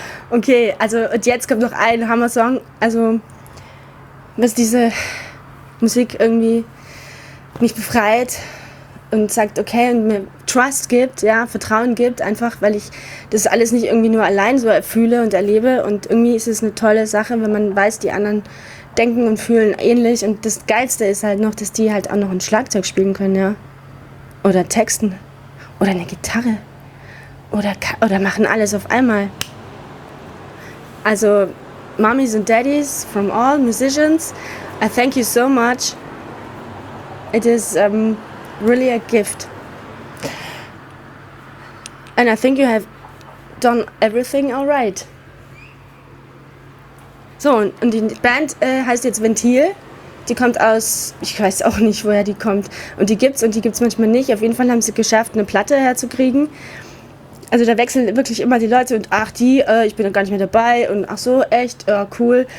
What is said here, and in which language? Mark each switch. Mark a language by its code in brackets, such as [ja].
[de] Okay, also und jetzt kommt noch ein Hammer-Song. Also, dass diese Musik irgendwie mich befreit und sagt, okay, und mir Trust gibt, ja, Vertrauen gibt, einfach, weil ich das alles nicht irgendwie nur allein so fühle und erlebe. Und irgendwie ist es eine tolle Sache, wenn man weiß, die anderen denken und fühlen ähnlich. Und das Geilste ist halt noch, dass die halt auch noch ein Schlagzeug spielen können, ja. Oder texten. Oder eine Gitarre. Oder machen alles auf einmal. [en] Also, Mommies and Daddies from all musicians, I thank you so much. It is really a gift. And I think you have done everything all right. [de] So, und die Band heißt jetzt Ventil. Die kommt aus, ich weiß auch nicht, woher die kommt. Und die gibt's manchmal nicht. Auf jeden Fall haben sie geschafft, eine Platte herzukriegen. Also da wechseln wirklich immer die Leute und ach die, ich bin dann gar nicht mehr dabei und ach so, echt, cool.